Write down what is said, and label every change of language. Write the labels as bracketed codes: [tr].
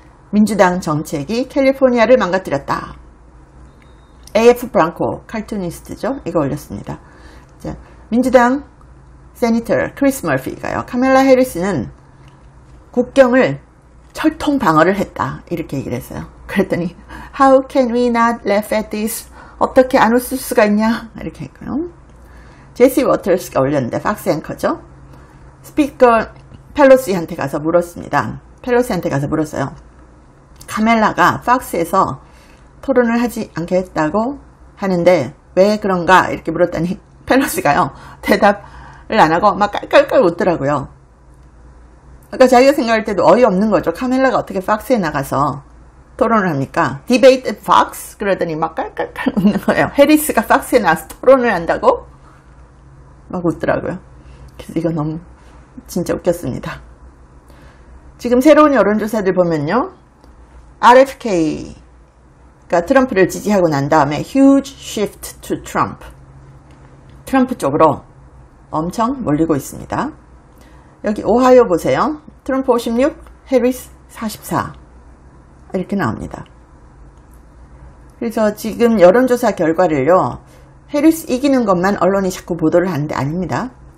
[ko] 민주당 정책이 캘리포니아를 망가뜨렸다. AF 브랑코, 칼투니스트죠. 이거 올렸습니다. 자, 민주당 세니터 크리스 머피가요. 카멜라 해리스는 국경을 철통 방어를 했다. 이렇게 얘기를 했어요. 그랬더니 [en] How can we not laugh at this? [ko] 어떻게 안 웃을 수가 있냐? 이렇게 했고요. 제시 워터스가 올렸는데 팍스 앵커죠. 스피커 펠로시한테 가서 물었습니다. 펠로시한테 가서 물었어요. 카멜라가 팍스에서 토론을 하지 않겠다고 하는데 왜 그런가 이렇게 물었더니 펠로시가요 대답을 안 하고 막 깔깔깔 웃더라고요. 아까 자기가 생각할 때도 어이없는 거죠. 카멜라가 어떻게 팍스에 나가서 토론을 합니까? 디베이트 팍스? 그러더니 막 깔깔깔 웃는 거예요. 해리스가 팍스에 나와서 토론을 한다고? 막 웃더라고요. 그래서 이거 너무 진짜 웃겼습니다. 지금 새로운 여론조사들 보면요. RFK 트럼프를 지지하고 난 다음에 [en] huge shift to Trump. [ko] 트럼프 쪽으로 엄청 몰리고 있습니다. 여기 오하이오 보세요. 트럼프 56, 해리스 44. 이렇게 나옵니다. 그래서 지금 여론조사 결과를요. 해리스 이기는 것만 언론이 자꾸 보도를 하는 게 아닙니다.